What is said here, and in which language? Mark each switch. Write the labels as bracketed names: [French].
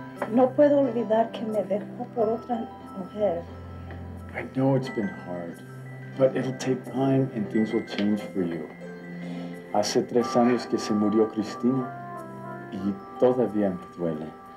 [Spanish] No puedo olvidar que me dejó por otra mujer. [English] I know it's been hard, but it'll take time and things will change for you. [Spanish] Hace 3 años que se murió Cristina y todavía me duele.